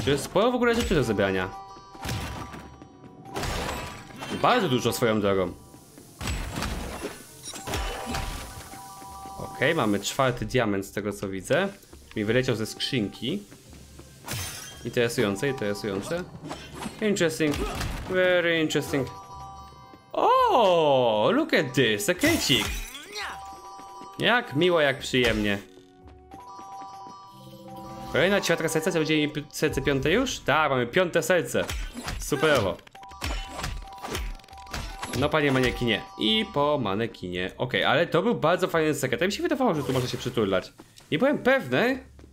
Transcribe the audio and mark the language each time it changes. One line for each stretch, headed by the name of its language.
Polish: To jest sporo w ogóle rzeczy do zebrania. Bardzo dużo swoją drogą. Okej, okay, mamy czwarty diament z tego co widzę. Mi wyleciał ze skrzynki. Interesujące, interesujące.
English: Interesting, very interesting. Oh, look at this, a kecik.
Polish: Jak miło, jak przyjemnie. Kolejna ciotka serca, co będzie mi serce piąte już? Tak, mamy piąte serce. Superowo. No panie manekinie. I po manekinie. Okej, ale to był bardzo fajny sekret. Ja mi się wydawało, że tu można się przytulać. Nie byłem pewny.